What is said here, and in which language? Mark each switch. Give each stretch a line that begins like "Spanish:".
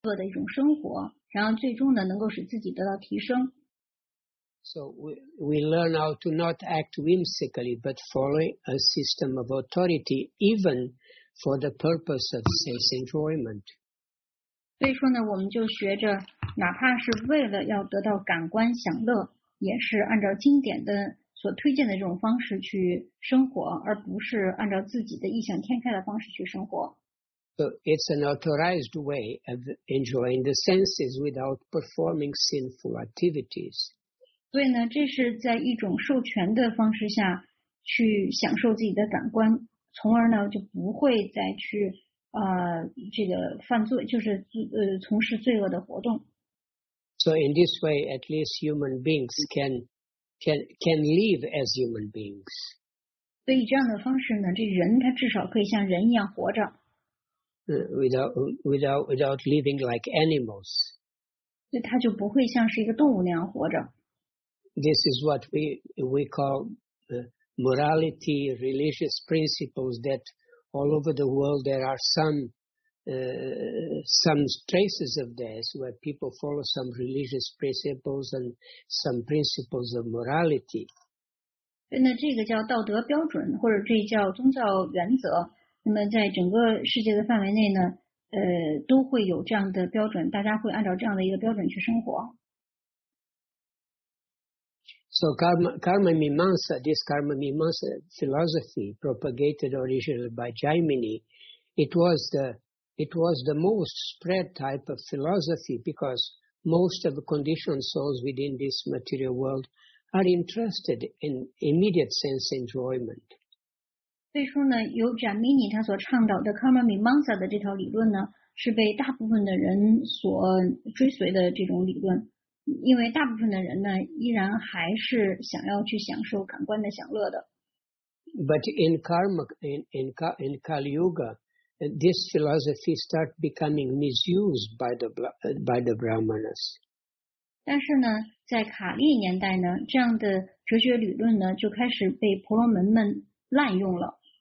Chinese: 作的一种生活，然后最终呢能够使自己得到提升。
English: So we learn how to not act whimsically, but follow a system of authority, even for the purpose of self-enjoyment.
Chinese: 所以说呢，我们就学着，哪怕是为了要得到感官享乐，也是按照经典的所推荐的这种方式去生活，而不是按照自己的异想天开的方式去生活。
English: So it's an authorized way of enjoying the senses without performing sinful activities.
Chinese: 所以呢，这是在一种授权的方式下去享受自己的感官，从而呢就不会再去这个犯罪，就是从事罪恶的活动。
English: So in this way, at least human beings can live as human beings.
Chinese: 所以这样的方式呢，这人他至少可以像人一样活着。
English: Without living like animals.
Chinese: 所以他就不会像是一个动物那样活着。
English: This is what we call morality, religious principles that all over the world there are some traces of this where people follow some religious principles and some principles of morality.
Chinese: 对，那这个叫道德标准，或者这叫宗教原则。那么在整个世界的范围内呢，都会有这样的标准，大家会按照这样的一个标准去生活。
English: So karma mimamsa, this karma mimamsa philosophy propagated originally by Jaimini, it was the most spread type of philosophy because most of the conditioned souls within this material world are interested in immediate sense enjoyment.
Chinese: 所以说呢，由 Jaimini 他所倡导的 karma mimamsa 的这条理论呢，是被大部分的人所追随的这种理论。因为大部分的人呢，依然还是想要去享受感官的享乐的。
English: But in karma, in Kali Yuga, this philosophy start becoming misused by the Brahmanas.
Chinese: 但是呢，在卡利年代呢，这样的哲学理论呢，就开始被婆罗门们滥用了。